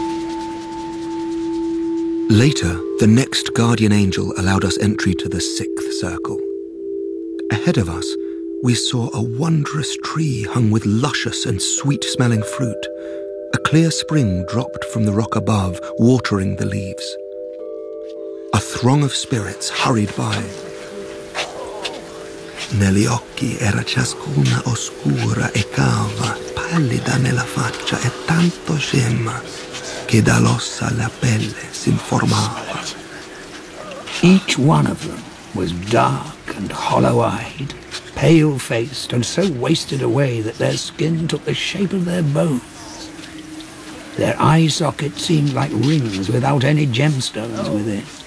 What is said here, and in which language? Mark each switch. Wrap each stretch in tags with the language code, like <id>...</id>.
<en>Later, the next guardian angel allowed us entry to the sixth circle. Ahead of us, we saw a wondrous tree hung with luscious and sweet-smelling fruit. A clear spring dropped from the rock above, watering the leaves. A throng of spirits hurried by.</en> <it>Negli occhi era ciascuna oscura e cava, pallida nella faccia e tanto scema, che dall'ossa la pelle s'informava.</it> <en>Each one of them was dark and hollow-eyed, pale-faced and so wasted away that their skin took the shape of their bones. Their eye sockets seemed like rings without any gemstones within.</en>